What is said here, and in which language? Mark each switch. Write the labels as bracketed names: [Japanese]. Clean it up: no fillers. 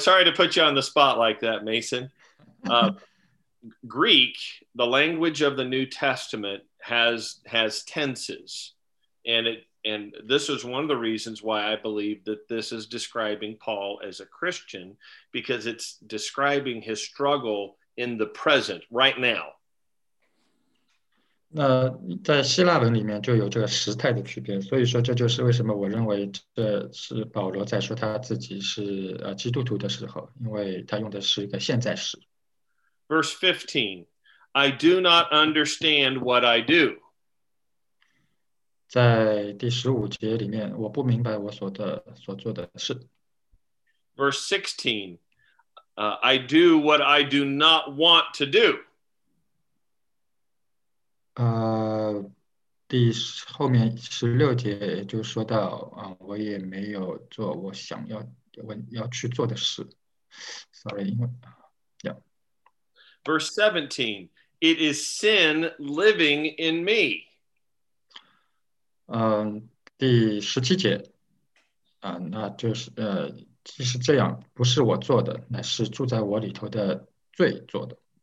[English] Sorry to put you on the spot like that, Mason. Greek, the language of the New Testament, has tenses. And this is one of the reasons why I believe that this is describing Paul as a Christian, because it's describing his struggle in the present, right now. [Chinese] 那在希腊文里面就有这个时态的区别，所以说这就是为什么我认为这是保罗在说他自己是基督徒的时候，因为他用的是一个现在时。 [English] Verse 15, I do not understand what I do. [Chinese] 在第十五节里面，我不明白我所做的事。 [English] Verse 16, I do what I do not want to do. [Chinese] 第后面十六节就说到我也没有做我想要去做的事。 [English] Sorry, [Chinese] 因为 [English] Verse 17, it is sin living in me. [Chinese] 第十七节那就是其实这样不是我做的，乃是住在我里头的罪做的。